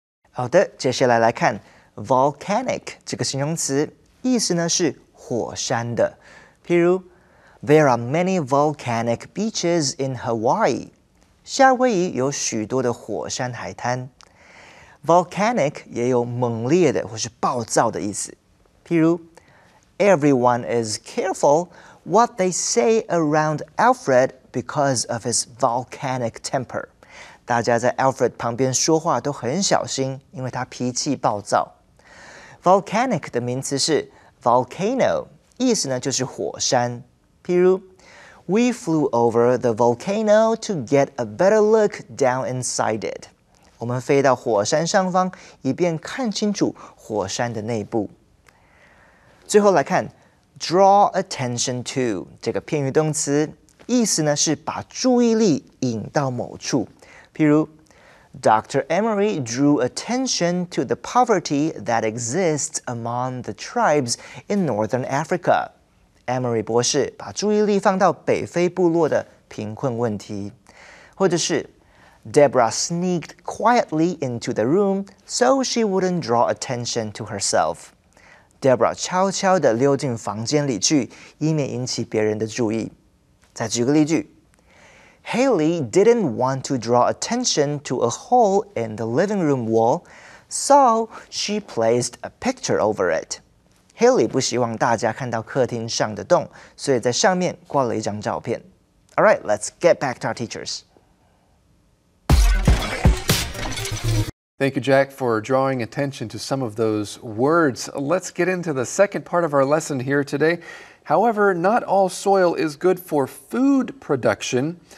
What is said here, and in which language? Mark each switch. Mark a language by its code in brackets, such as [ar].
[zh] 好的，接下来来看 volcanic 这个形容词，意思呢是火山的。譬如 [en] There are many volcanic beaches in Hawaii. [zh] 夏威夷有许多的火山海滩。Volcanic 也有猛烈的或是暴躁的意思。譬如 [en] ,Everyone is careful what they say around Alfred because of his volcanic temper. [zh] 大家在 Alfred 旁边说话都很小心，因为他脾气暴躁。 Volcanic 的名词是 volcano, 意思呢就是火山。譬如 [en] ,We flew over the volcano to get a better look down inside it. [zh] 我们飞到火山上方以便看清楚火山的内部。最后来看 , [en] draw attention to, [zh] 这个片语动词意思呢是把注意力引到某处。譬如 ,Dr. [en] Emery drew attention to the poverty that exists among the tribes in northern Africa. Emery [zh] 博士把注意力放到北非部落的贫困问题，或者是 [en] Debra sneaked quietly into the room so she wouldn't draw attention to herself. [zh] Debra 悄悄地溜进房间里去，以免引起别人的注意。再举个例句 [en] ，Haley didn't want to draw attention to a hole in the living room wall, so she placed a picture over it. [zh] Haley 不希望大家看到客厅上的洞，所以在上面挂了一张照片。 [en] All right, let's get back to our teachers. Thank you, Jack, for drawing attention to some of those words. Let's get into the second part of our lesson here today. However, not all soil is good for food production.